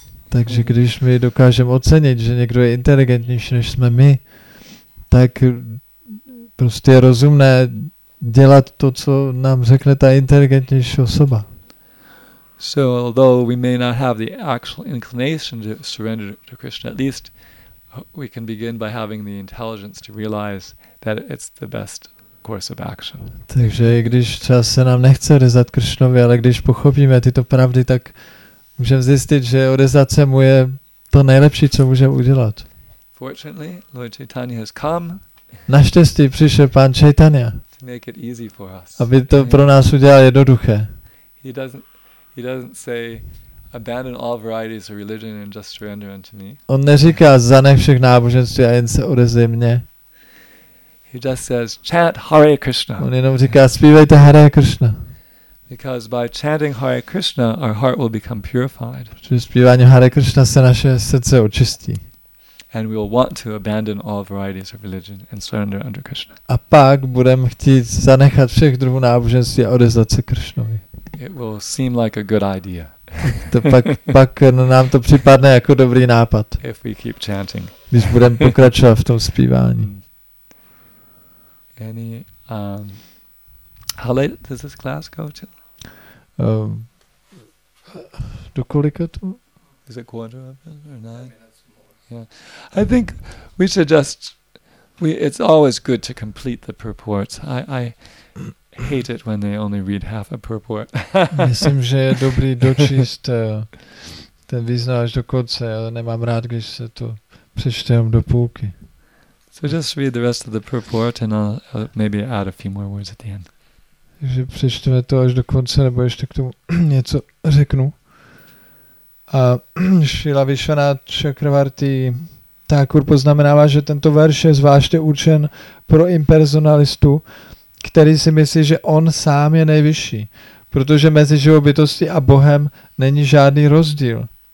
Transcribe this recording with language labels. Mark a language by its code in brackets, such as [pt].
[cs] Takže když my dokážeme ocenit, že někdo je inteligentnější než jsme my, tak prostě je rozumné dělat to, co nám řekne ta inteligentnější osoba. [en] So although we may not have the actual inclination to surrender to Krishna, at least we can begin by having the intelligence to realize that it's the best course of action. [cs] Takže i když čas se nám nechce rezat Krishnovi, ale když pochopíme tyto pravdy, tak můžeme zjistit, že odezdat se mu je to nejlepší, co můžeme udělat. [en] Fortunately, Lord Chaitanya has come. [cs] Naštěstí přišel pán Chaitanya. [en] To make it easy for us. [cs] Aby to pro nás udělal jednoduché. [en] He doesn't say abandon all varieties of religion and just surrender unto me. [cs] On neříká zanech všech náboženství a jen se odezdej mně. [en] He just says chant Hare Krishna. [cs] On jenom říká zpívejte Hare Krishna. [en] Because by chanting Hare Krishna, our heart will become purified. [cs] Při zpívání Hare Krishna se naše srdce očistí. [en] And we will want to abandon all varieties of religion and surrender under Krishna. [cs] A pak budeme chtít zanechat všech druhů náboženství a odezdat se Krishnovi. [en] It will seem like a good idea. [cs] To pak nám to připadne jako dobrý nápad. [en] If we keep chanting. [cs] Když budeme pokračovat v tom zpívání. [en] Any how late does this class go till? [cs] Do kolika to? [en] Is it quarter of it or nine? Yeah. I think we should just it's always good to complete the purports. I hate it when they only read half a purport. [cs] Myslím, že je dobrý dočíst ten význam až do konce, ale nemám rád, když se to přečte jenom do půlky. [en] So just read the rest of the purport and I'll maybe add a few more words at the end. [cs] Takže přečteme to až do konce, nebo ještě k tomu něco řeknu. A Šila Vishvanath Chakravarti Thakur poznamenává, že tento verš je zvláště určen pro impersonalistu, který si myslí, že on sám je nejvyšší, protože mezi živou bytostí a Bohem není žádný rozdíl.